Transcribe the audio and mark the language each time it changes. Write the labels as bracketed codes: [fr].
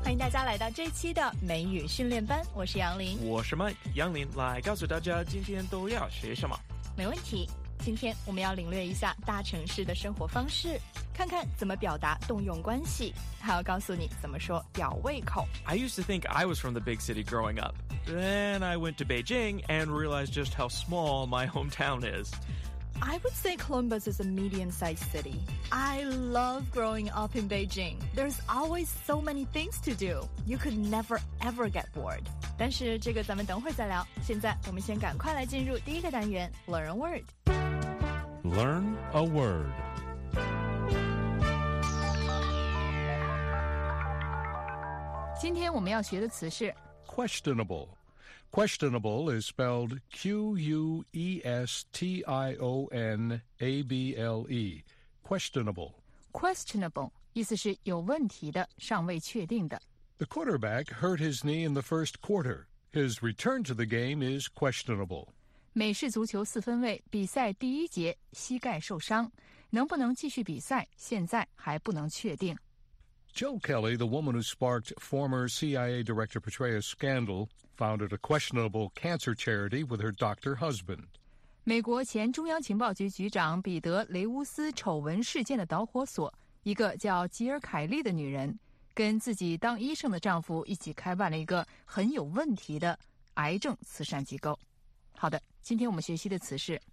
[zh] 家来到这期的美语训练班，我是杨林。我是麦杨林，来告诉大家今天都要学什么。没问题，今天我们要领略一下大城市的生活方式，看看怎么表达动用关系，还要告诉你怎么说吊胃口。 [en] I used to think I was from the big city growing up. Then I went to Beijing and realized just how small my hometown is. I would say Columbus is a medium-sized city. I love growing up in Beijing. There's always so many things to do. You could never ever get bored. [zh] 但是这个咱们等会儿再聊，现在我们先赶快来进入第一个单元 Learn a Word. [en] Learn a word. Today, we're going to learn the word questionable. Questionable is spelled Q-U-E-S-T-I-O-N-A-B-L-E. Questionable. [zh] Questionable 意思是有问题的，尚未确定的。 [en] The quarterback hurt his knee in the first quarter. His return to the game is questionable. [zh] 美式足球四分卫比赛第一节膝盖受伤，能不能继续比赛现在还不能确定。 [en] Jill Kelly, the woman who sparked former CIA Director Petraeus scandal, founded a questionable cancer charity with her doctor husband. [zh] 美国前中央情报局局长彼得·雷乌斯丑闻事件的导火索，一个叫吉尔·凯利的女人跟自己当医生的丈夫一起开办了一个很有问题的癌症慈善机构。好的，今天我们学习的词是